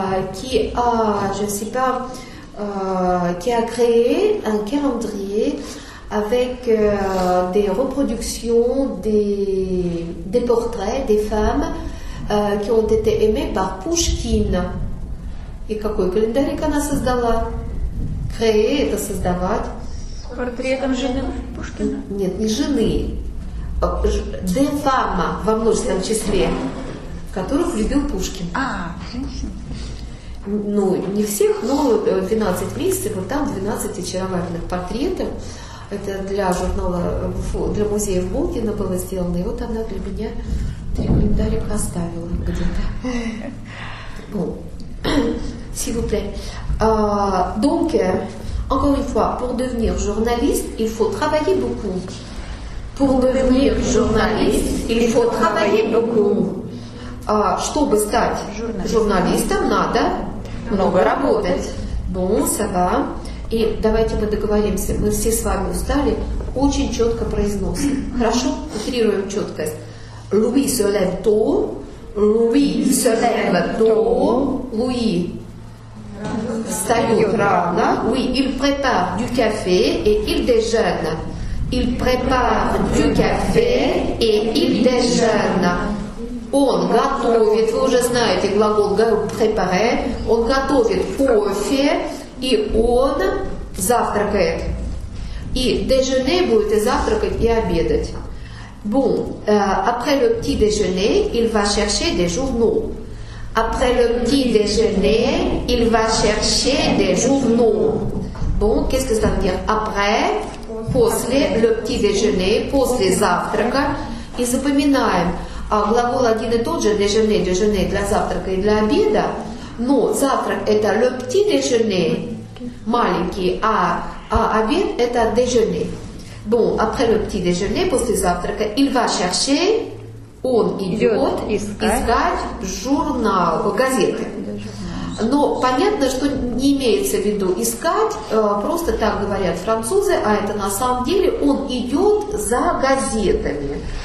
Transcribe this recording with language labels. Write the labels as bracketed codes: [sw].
[fr] qui a créé un calendrier avec des reproductions des portraits des femmes qui ont été aimées par Pushkin. [ru] Et какой календарик она создала? Créé, это создавать. Портретом жены Пушкина? Нет, не жены. [fr] Des femmes [ru] во множественном числе, которых любил Пушкин. А, женщины. Ну, не всех, но 12 месяцев, вот там 12 очаровательных портретов. Это для журнала, для музея Волгина было сделано. И вот она для меня три календарика оставила где-то. [fr] Bon. S'il vous plaît. Donc, encore une fois, pour devenir journaliste, il faut travailler beaucoup. Pour devenir journaliste, il faut travailler beaucoup. [ru] А чтобы стать журналистом, надо много работать. [fr] Bon, ça va. [ru] И давайте мы договоримся, мы все с вами устали, очень четко произносим. Хорошо? Утрируем четкость. [fr] Louis se lève tôt. Louis se lève tôt. [ru] Louis встает рано. [fr] Oui, il prépare du café et il déjeune. Il prépare du café et il déjeune. [ru] Он готовит, вы уже знаете глагол préparer, он готовит кофе, и он завтракает. И déjeuner будете завтракать и обедать. [fr] Bon, après le petit déjeuner, il va chercher des journaux. Après le petit déjeuner, il va chercher des journaux. Bon, qu'est-ce que ça veut dire? [ru] Après, после, [fr] le petit déjeuner, [ru] после завтрака. И запоминаем. А глагол один и тот же, déjeuner, déjeuner, для завтрака и для обеда. Но завтрак это [fr] le petit déjeuner, [ru] маленький, а обед это déjeuner. [fr] Bon, après le petit déjeuner, [ru] после завтрака, [fr] il va chercher, [ru] он идет искать журнал, газеты. Но понятно, что не имеется в виду искать, просто так говорят французы, а это на самом деле он идет за газетами.